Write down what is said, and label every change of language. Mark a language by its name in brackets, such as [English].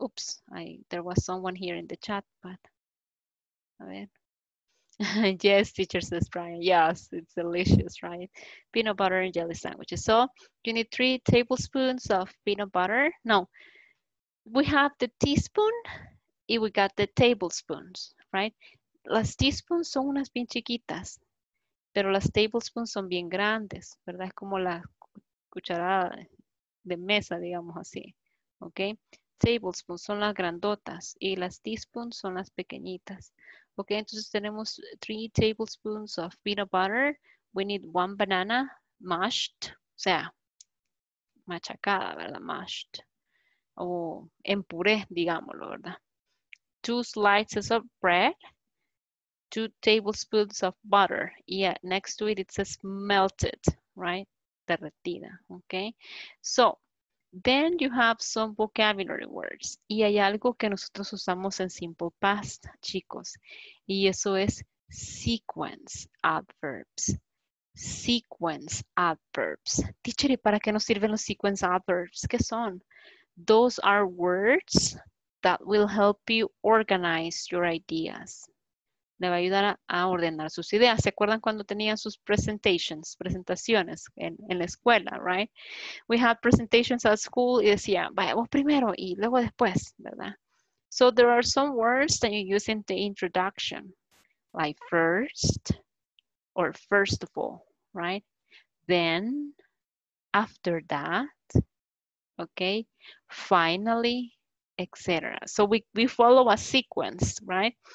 [English] Oops, there was someone here in the chat, but [Spanish] a ver. [English] Yes, teacher says Brian. Yes, it's delicious, right? Peanut butter and jelly sandwiches. So you need 3 tablespoons of peanut butter. No, we have the teaspoon and we got the tablespoons, right? [Spanish] Las teaspoons son unas bien chiquitas, pero las tablespoons son bien grandes, ¿verdad? Es como la cucharada de mesa, digamos así. Okay, tablespoons son las grandotas y las teaspoons son las pequeñitas. [English] Okay, [Spanish] entonces tenemos [English] 3 tablespoons of peanut butter. We need 1 banana mashed, [Spanish] o sea, machacada, ¿verdad? [English] Mashed. [Spanish] O en puré, digámoslo, ¿verdad? [English] 2 slices of bread. 2 tablespoons of butter. Yeah, next to it, it says melted, right? [Spanish] Derretida, [English] okay? So, then you have some vocabulary words. [Spanish] Y hay algo que nosotros usamos en simple past, chicos. Y eso es sequence adverbs. Sequence adverbs. Teacher, ¿y para qué nos sirven los sequence adverbs? ¿Qué son? [English] Those are words that will help you organize your ideas. [Spanish] Le va a ayudar a ordenar sus ideas. ¿Se acuerdan cuando tenían sus presentations, presentaciones en la escuela, right? [English] We had presentations at school [Spanish] y decía, vayamos primero y luego después, ¿verdad? [English] So there are some words that you use in the introduction, like first or first of all, right? Then, after that, okay? Finally, etc. So we follow a sequence, right?